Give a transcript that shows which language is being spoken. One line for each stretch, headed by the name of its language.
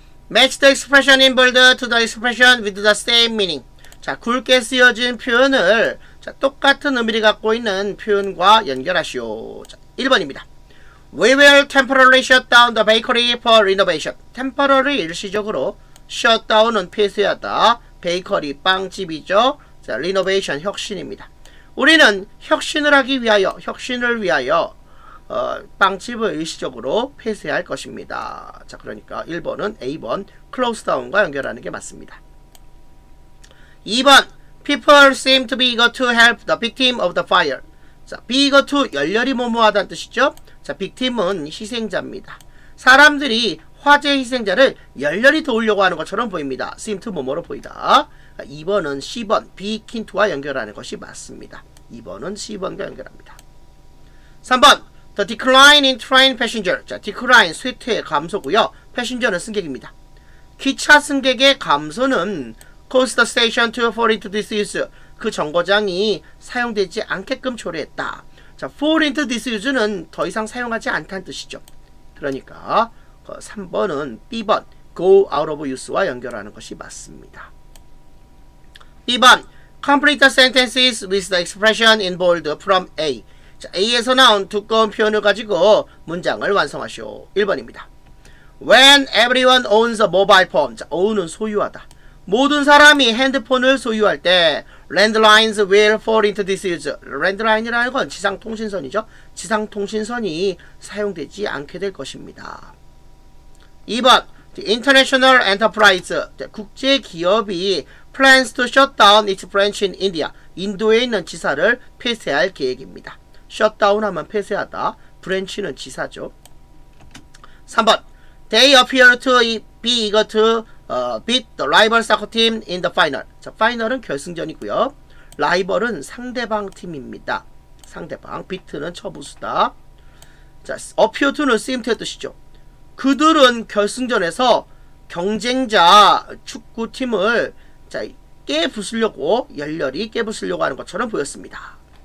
English: Match the expression in bold to the expression with the same meaning.
Korean: 자, 굵게 쓰여진 표현을 자, 똑같은 의미를 갖고 있는 표현과 연결하시오. 자, 1번입니다.
English: We will temporarily shut down the bakery for renovation.
Korean: Temporary 일시적으로, shut down은 폐쇄하다, bakery 빵집이죠. 자, renovation 혁신입니다. 우리는 혁신을 하기 위하여, 혁신을 위하여 빵집을 일시적으로 폐쇄할 것입니다. 자, 그러니까 1번은 A번, close down과 연결하는 게 맞습니다.
English: 2번, people seem to be eager to help the victim of the fire.
Korean: 자, be eager to, 열렬히 모모하다는 뜻이죠. 자, victim은 희생자입니다. 사람들이 화재 희생자를 열렬히 도우려고 하는 것처럼 보입니다. seem to 뭐뭐로 보이다. 2번은 C번, be keen to와 연결하는 것이 맞습니다. 2번은 C번과 연결합니다.
English: 3번, the decline in train passenger. 자, decline,
Korean: 쇠퇴, 감소고요. passenger는 승객입니다. 기차 승객의 감소는
English: cause the station to fall into disuse.
Korean: 그 정거장이 사용되지 않게끔 초래했다. 자, fall into disuse는 더 이상 사용하지 않다는 뜻이죠. 그러니까 3번은 B번, go out of use와 연결하는 것이 맞습니다.
English: B번, complete the sentences with the expression in bold from A.
Korean: 자, A에서 나온 두꺼운 표현을 가지고 문장을 완성하시오. 1번입니다.
English: When everyone owns a mobile phone.
Korean: 자, own은 소유하다. 모든 사람이 핸드폰을 소유할 때
English: Landlines will fall into disuse.
Korean: Landline이라는 건 지상통신선이죠. 지상통신선이 사용되지 않게 될 것입니다.
English: 2번 The International Enterprise.
Korean: 국제기업이
English: plans to shut down its branch in India.
Korean: 인도에 있는 지사를 폐쇄할 계획입니다. Shut down 하면 폐쇄하다. 브랜치는 지사죠.
English: 3번 They appear to be eager to beat the rival soccer team in the final.
Korean: 자, 파이널은 결승전이고요. 라이벌은 상대방 팀입니다. 상대방. beat는 처부수다. 자, appear to는 seem to의 뜻이죠. 그들은 결승전에서 경쟁자 축구팀을 자, 깨부수려고 열렬히 깨부수려고 하는 것처럼 보였습니다.